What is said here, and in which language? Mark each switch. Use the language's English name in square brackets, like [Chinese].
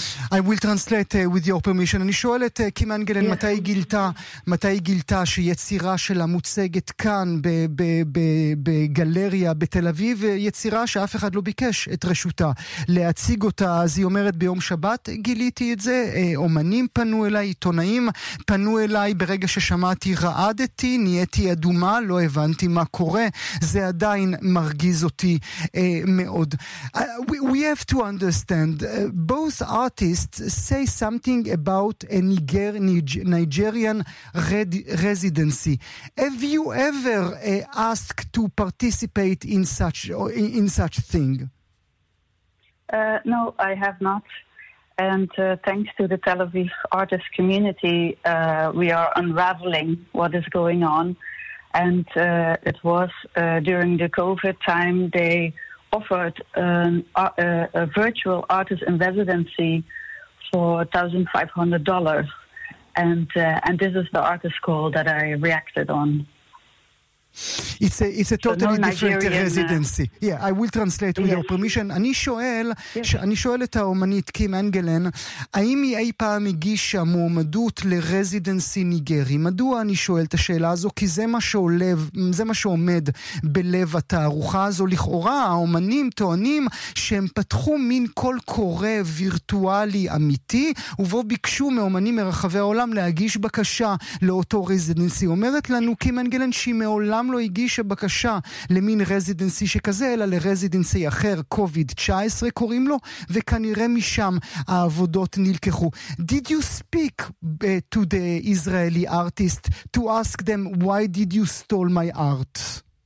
[English] I will translate with your permission. [Hebrew] אני שואל את קים אנגלן, מתי גילתה שיצירה שלה מוצגת כאן בגלריה בתל אביב, יצירה שאף אחד לא ביקש את רשותה להציג אותה. אז היא אומרת, ביום שבת גיליתי את זה, אומנים פנו אליי, עיתונאים פנו אליי, ברגע ששמעתי רעדתי, נהייתי אדומה, לא הבנתי מה קורה, זה עדיין מרגיז אותי מאוד. [English] We have to understand, both artists say something about a Nigerian residency. Have you ever asked to participate in such thing? No, I have not. And thanks to the Tel Aviv artist community, we are unraveling what is going on. And it was during the COVID time, they offered a virtual artist in residency for $1,500, and this is the artist call that I reacted on. It's a totally different residency. Yeah, I will translate with your permission. [Hebrew] אני שואל את האומנית קים אנגלן, האם היא אי פעם הגישה מועמדות לרזידנסי ניגרי? מדוע אני שואל את השאלה הזו? כי זה מה שעומד בלב התערוכה הזו. לכאורה, האומנים טוענים שהם פתחו מין קול קורא וירטואלי אמיתי, ובו ביקשו מאומנים מרחבי העולם להגיש בקשה לאותו רזידנסי. אומרת לנו קים אנגלן שהיא מעולם לא הגישה בקשה למין רזידנסי שכזה, אלא לרזידנסי אחר, COVID-19 קוראים לו, וכנראה משם העבודות נלקחו. [English] Did you speak to the Israeli artist to ask them, why did you stole my art?